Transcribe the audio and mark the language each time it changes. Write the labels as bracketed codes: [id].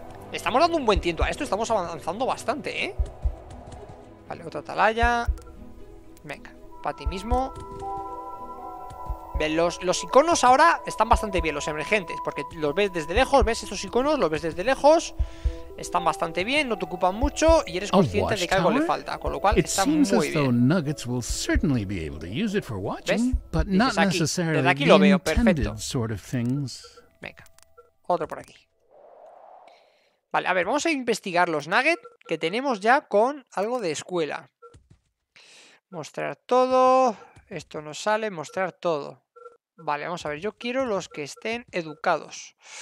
[es] Estamos dando un buen tiento a esto. Estamos avanzando bastante, Vale, otra atalaya. Venga, para ti mismo. Los iconos ahora están bastante bien. Los emergentes, porque los ves desde lejos. ¿Ves estos iconos? Los ves desde lejos. Están bastante bien, no te ocupan mucho y eres consciente de que algo le falta, con lo cual está muy bien. [en] It seems as though Nuggets will certainly be able to use it for watching, but not necessarily the intended sort of things. [es] Venga, otro por aquí. Vale, a ver, vamos a investigar los Nuggets que tenemos ya con algo de escuela. Mostrar todo, esto nos sale, mostrar todo. Vale, vamos a ver, yo quiero los que estén educados.